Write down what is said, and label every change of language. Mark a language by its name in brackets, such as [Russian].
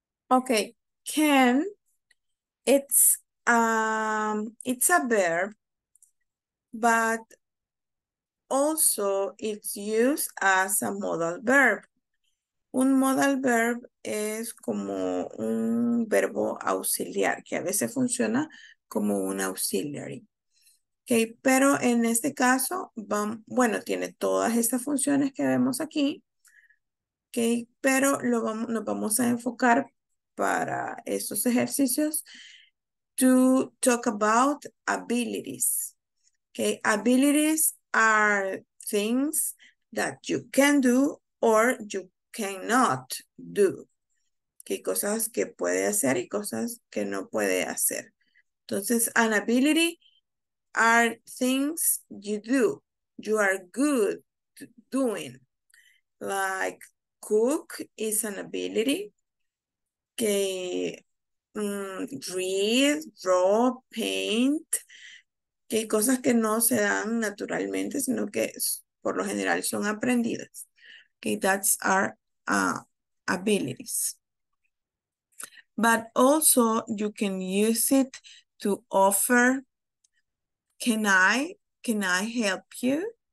[English] Okay, can, it's a verb, but also it's used as a modal verb. [Spanish] Un modal verb es como un verbo auxiliar, que a veces funciona como un auxiliary. Okay, pero en este caso, tiene todas estas funciones que vemos aquí. Okay, pero nos vamos a enfocar para estos ejercicios to talk about abilities. [English] Okay, abilities are things that you can do or you cannot do. [Spanish] Okay, cosas que puede hacer y cosas que no puede hacer. [English] Entonces, an ability are things you do, you are good doing. Like, cook is an ability. Okay, read, draw, paint. [Spanish] Okay, cosas que no se dan naturalmente, sino que por lo general son aprendidas. [English] Okay, that's our abilities. But also, you can use it to offer, can I help you?